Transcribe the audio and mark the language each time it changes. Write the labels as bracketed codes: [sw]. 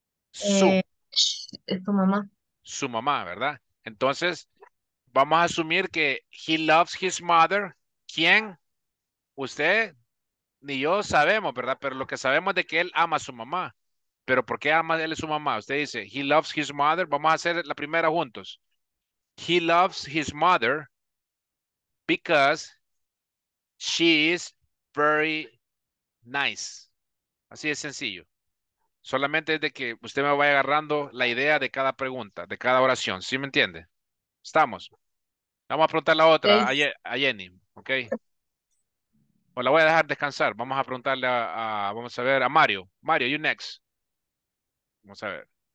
[es] Su. Es tu mamá. Su mamá, ¿verdad? Entonces, vamos a asumir que [en] he loves his mother. [es] ¿Quién? Usted ni yo sabemos, ¿verdad? Pero lo que sabemos es de que él ama a su mamá. ¿Pero por qué ama él a su mamá? Usted dice, [en] he loves his mother. [es] Vamos a hacer la primera juntos. [en] He loves his mother because she is very nice. [es] Así de sencillo. Solamente es de que usted me vaya agarrando la idea de cada pregunta, de cada oración. ¿Sí me entiende? Estamos. Vamos a preguntar la otra, okay. A Jenny. ¿Ok? O la voy a dejar descansar. Vamos a preguntarle a Mario. Mario, [en] you next. [es] Vamos a ver.